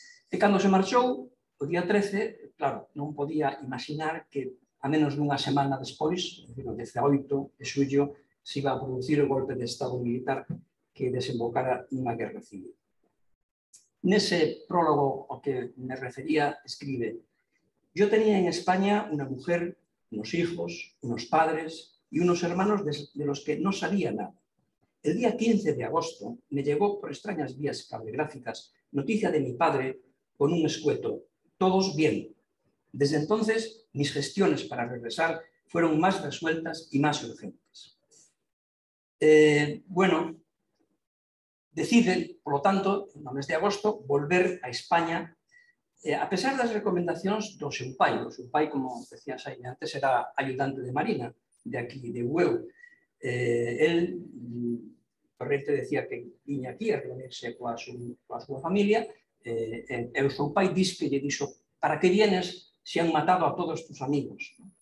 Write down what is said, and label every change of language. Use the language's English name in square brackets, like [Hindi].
[Galician] E cando se marchou, o día 13, claro, non podía imaginar que a menos dunha semana despois, o 18 de xullo, se iba a producir o golpe de Estado militar que desembocara nunha guerra civil. Nese prólogo ao que me refería, escribe: [Spanish] "Yo tenía en España una mujer, unos hijos, unos padres y unos hermanos de los que no sabía nada. El día 15 de agosto me llegó por extrañas vías cablegráficas noticia de mi padre con un escueto: todos bien. Desde entonces, mis gestiones para regresar fueron más resueltas y más urgentes". Bueno, deciden, por lo tanto, en el mes de agosto, volver a España, [Galician] a pesar das recomendacións do seu pai. O seu pai, como decías aí antes, era ayudante de Marina, de aquí, de Ueu. Él, Torrente, decía que viña aquí a reunirse coa súa familia, e o seu pai diz que lle dixo: [Spanish] "Para que vienes se han matado a todos tus amigos?".